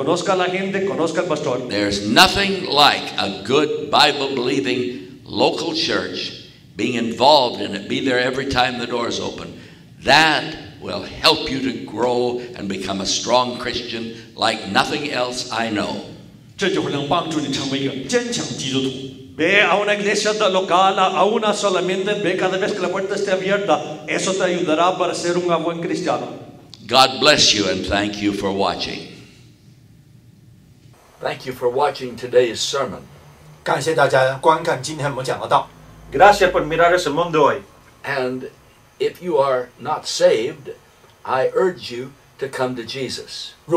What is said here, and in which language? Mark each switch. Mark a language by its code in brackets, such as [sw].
[en] There's nothing like a good Bible-believing local church. Being involved in it, be there every time the doors open. That will help you to grow and become a strong Christian like nothing else I know. [es] Ve a una iglesia local, a una solamente, ve cada vez que la puerta esté abierta, eso te ayudará para ser un buen cristiano. [en] God bless you and thank you for watching. Thank you for watching today's sermon. [zh] 感谢大家观看今天我们讲的道。 [es] Gracias por mirar ese mundo hoy. [en] And if you are not saved, I urge you to come to Jesus.